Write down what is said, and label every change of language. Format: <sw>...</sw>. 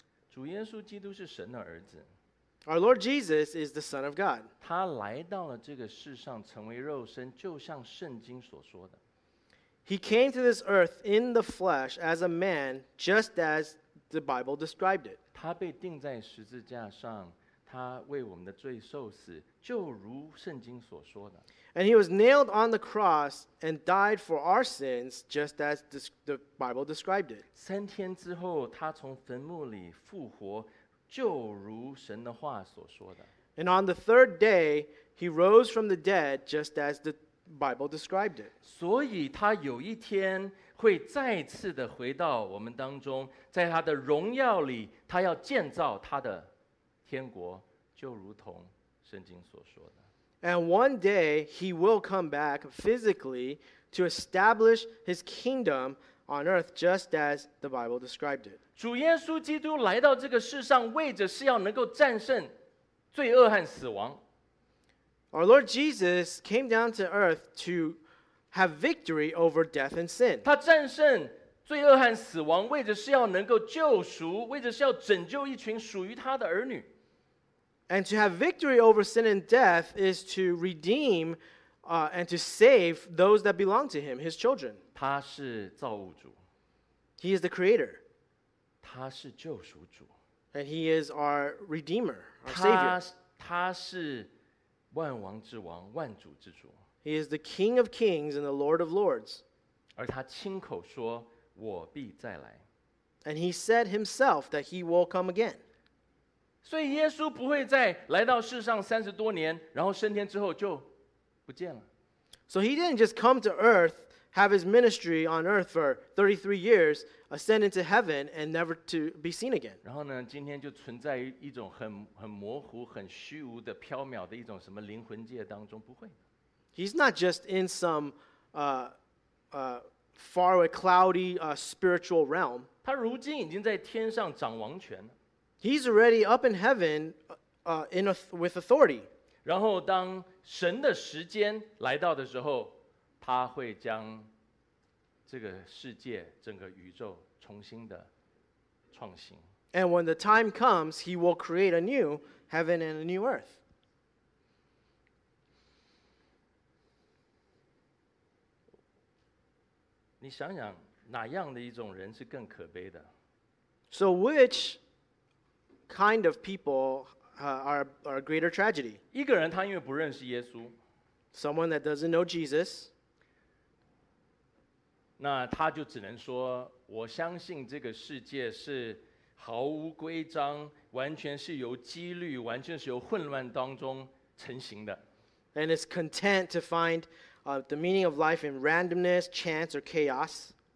<zh>主耶稣基督是神的儿子。</zh> <en>Our Lord Jesus is the Son of God.</en> <zh>他来到了这个世上，成为肉身，就像圣经所说的。</zh> <en>He came to this earth in the flesh as a man, just as the Bible described it.</en> <zh>他被钉在十字架上，他为我们的罪受死，就如圣经所说的。</zh> <en>And he was nailed on the cross and died for our sins, just as the Bible described it.</en> <zh>三天之后，他从坟墓里复活，就如神的话所说的。</zh> <en>And on the third day, he rose from the dead, just as the Bible described it.</en> <zh>所以他有一天会再次的回到我们当中，在他的荣耀里，他要建造他的天国，就如同圣经所说的。</zh> <en>And one day he will come back physically to establish his kingdom on earth, just as the Bible described it.</en> <zh>主耶稣基督来到这个世上，为着是要能够战胜罪恶和死亡。</zh> <en>Our Lord Jesus came down to earth to have victory over death and sin.</en> <zh>他战胜罪恶和死亡，为着是要能够救赎，为着是要拯救一群属于他的儿女。</zh> <en>And to have victory over sin and death is to redeem and to save those that belong to him, his children.</en> <zh>他是造物主。</zh> <en>He is the creator.</en> <zh>他是救赎主。</zh> <en>And he is our redeemer, our savior.</en> <zh>他是万王之王，万主之主。</zh> <en>He is the king of kings and the lord of lords.</en> <zh>而他亲口说，我必再来。</zh> <en>And he said himself that he will come again.</en> <zh>所以耶稣不会再来到世上三十多年，然后升天之后就不见了。</zh> <en>So he didn't just come to earth, have his ministry on earth for 33 years, ascend into heaven, and never to be seen again.</en> <zh>然后呢，今天就存在一种很模糊、很虚无的缥缈的一种什么灵魂界当中，不会。</zh> <en>He's not just in some far away cloudy spiritual realm.</en> <zh>他如今已经在天上掌王权。</zh> <en>He's already up in heaven with authority.</en> <zh>然后当神的时间来到的时候，他会将这个世界整个宇宙重新的创新。</zh> <en>And when the time comes, he will create a new heaven and a new earth.</en> <zh>你想想哪样的一种人是更可悲的？</zh> <en>So whichkind of people are a greater tragedy.</en> <zh>一个人他因为不认识耶稣，</zh> <en>someone that doesn't know Jesus,</en> <zh>那他就只能说，我相信这个世界是毫无规章，完全是由几率，完全是由混乱当中成型的。</zh> <en>And is content to find the meaning of life in randomness, chance, or chaos.</en>